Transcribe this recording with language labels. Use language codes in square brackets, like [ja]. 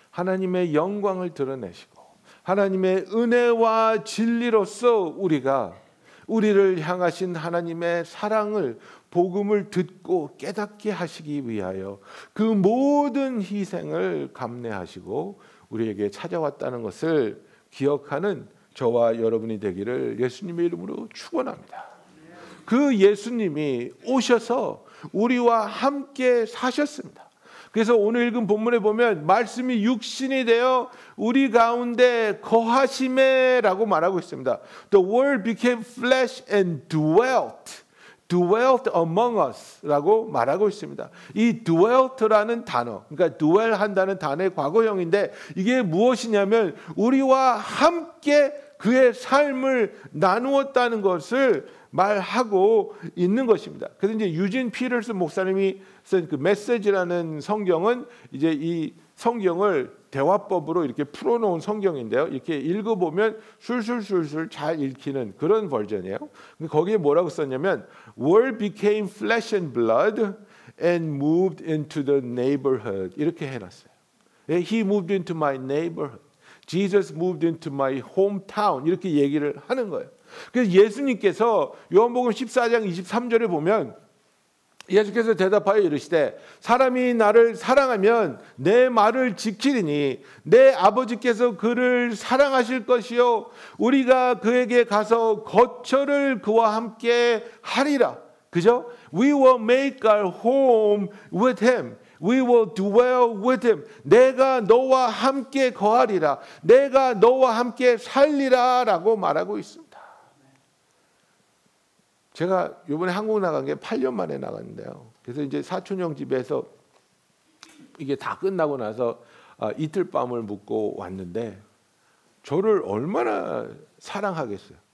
[ko] 하나님의 영광을 드러내시고 하나님의 은혜와 진리로서 우리가 우리를 향하신 하나님의 사랑을 복음을 듣고 깨닫게 하시기 위하여 그 모든 희생을 감내하시고 우리에게 찾아왔다는 것을 기억하는 저와 여러분이 되기를 예수님의 이름으로 축원합니다. 그 예수님이 오셔서 우리와 함께 사셨습니다. 그래서 오늘 읽은 본문에 보면 말씀이 육신이 되어 우리 가운데 거하심에 라고 말하고 있습니다. [en] The word became flesh and dwelt. Dwelt among us [ko] 라고 말하고 있습니다. 이 dwelt라는 단어, 그러니까 dwell 한다는 단어의 과거형인데 이게 무엇이냐면 우리와 함께 그의 삶을 나누었다는 것을 말하고 있는 것입니다. 그래서 이제 유진 피터스 목사님이 쓴 그 메시지라는 성경은 이제 이 성경을 대화법으로 이렇게 풀어놓은 성경인데요. 이렇게 읽어보면 술술술술 잘 읽히는 그런 버전이에요. 근데 거기에 뭐라고 썼냐면 [en] World became flesh and blood and moved into the neighborhood [ko] 이렇게 해놨어요. [en] He moved into my neighborhood. Jesus moved into my hometown [ko] 이렇게 얘기를 하는 거예요. 그래서 예수님께서 요한복음 14장 23절에 보면 예수께서 대답하여 이르시되 사람이 나를 사랑하면 내 말을 지키리니 내 아버지께서 그를 사랑하실 것이요 우리가 그에게 가서 거처를 그와 함께 하리라. 그죠? [en] We will make our home with him. We will dwell with him. [ko] 내가 너와 함께 거하리라. 내가 너와 함께 살리라 라고 말하고 있습니다. 제가 이번에 한국 나간 게 8년 만에 나갔는데요. 그래서 이제 사촌 형 집에서 이게 다 끝나고 나서 이틀 밤을 묵고 왔는데 저를 얼마나 사랑하겠어요.